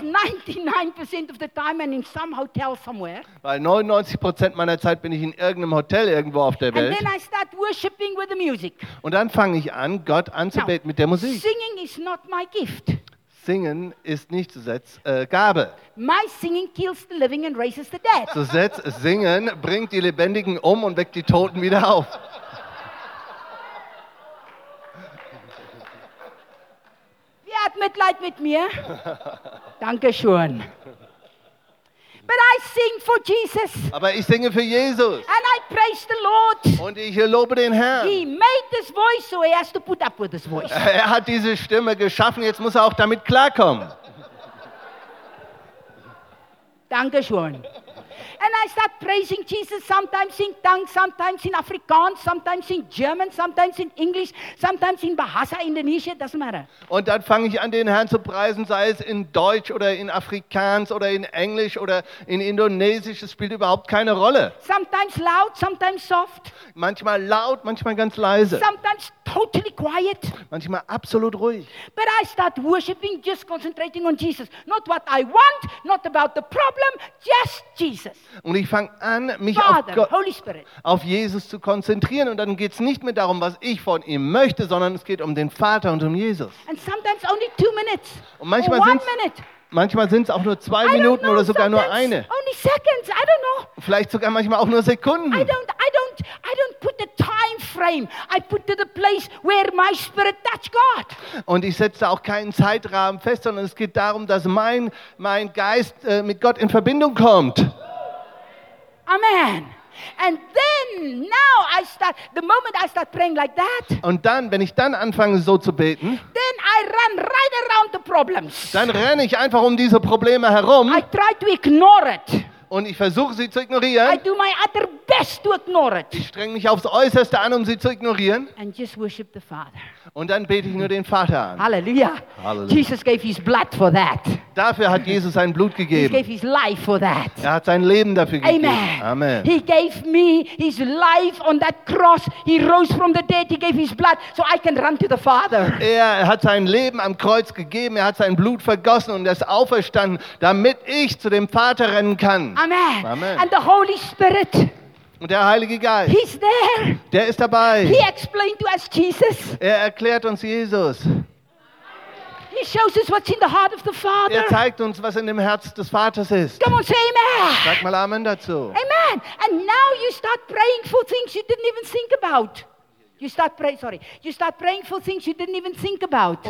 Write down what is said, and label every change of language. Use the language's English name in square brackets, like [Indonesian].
[English] Because 99% of the time I'm in some hotel somewhere. [German] Weil 99% meiner Zeit bin ich in irgendeinem Hotel irgendwo auf der Welt. [English] And then I start worshiping with the music. [German] Und dann fange ich an, Gott anzubeten mit der Musik. [English] Singing is not my gift. [German] Singen ist nicht Setz, Gabe. [English] My singing kills the living and raises the dead. [German] Singen bringt die Lebendigen um und weckt die Toten wieder auf. Hat Mitleid mit mir. Danke schön. [English] But I sing for Jesus. [German] Aber ich singe für Jesus. [English] And I praise the Lord. [German] Und ich lobe den Herrn. [English] He made this voice, so he has to put up with this voice. [German] Er hat diese Stimme geschaffen, jetzt muss er auch damit klarkommen. Danke schön. [English] And I start praising Jesus, sometimes in tongues, sometimes in Afrikaans, sometimes in German, sometimes in English, sometimes in Bahasa, Indonesia, doesn't matter. [German] Und dann fange ich an, den Herrn zu preisen, sei es in Deutsch oder in Afrikaans oder in Englisch oder in Indonesisch, es spielt überhaupt keine Rolle. [English] Sometimes loud, sometimes soft. [German] Manchmal laut, manchmal ganz leise. [English] Sometimes totally quiet. [German] Manchmal absolut ruhig. [English] But I start worshiping, just concentrating on Jesus. Not what I want, not about the problem, just Jesus. [German] Und ich fange an, mich auf Jesus zu konzentrieren. Und dann geht es nicht mehr darum, was ich von ihm möchte, sondern es geht um den Vater und um Jesus. [English] And sometimes only 2 minutes. [German] Und manchmal sind es auch nur 2 Minuten oder sogar nur eine. [English] Only seconds. I don't know. [German] Vielleicht sogar manchmal auch nur Sekunden. [English] I don't put the time frame. I put to the place where my spirit touch God. [German] Und ich setze auch keinen Zeitrahmen fest, sondern es geht darum, dass mein Geist mit Gott in Verbindung kommt. Amen. [English] And then now I start the moment I start praying like that. [German] Und dann, wenn ich dann anfange so zu beten, [English] then I run right around the problems. [German] Dann renne ich einfach um diese Probleme herum. [English] I try to ignore it. [German] Und ich versuche sie zu ignorieren. [English] I do my utter best to ignore it. [German] Ich streng mich aufs Äußerste an, um sie zu ignorieren. [English] And just worship the Father. [German] Und dann bete ich nur den Vater an. [English] Halleluja. Jesus gave his blood for that. [German] Dafür hat Jesus sein Blut gegeben. [English] He gave his life for that. [German] Er hat sein Leben dafür gegeben. Amen. Amen. [English] He gave me his life on that cross. He rose from the dead. He gave his blood so I can run to the Father. [German] Er hat sein Leben am Kreuz gegeben. Er hat sein Blut vergossen und ist auferstanden, damit ich zu dem Vater rennen kann. Amen. Amen. [English] And the Holy Spirit. [German] Und der Heilige Geist. [English] He's there. [German] Der ist dabei. [English] He explained to us Jesus. [German] Er erklärt uns Jesus. [English] He shows us what's in the heart of the Father. [German] Er zeigt uns, was in dem Herz des Vaters ist. [English] Come on, say amen. [German] Sag mal Amen dazu. Amen. [English] And now you start praying for things you didn't even think about. You start praying for things you didn't even think about.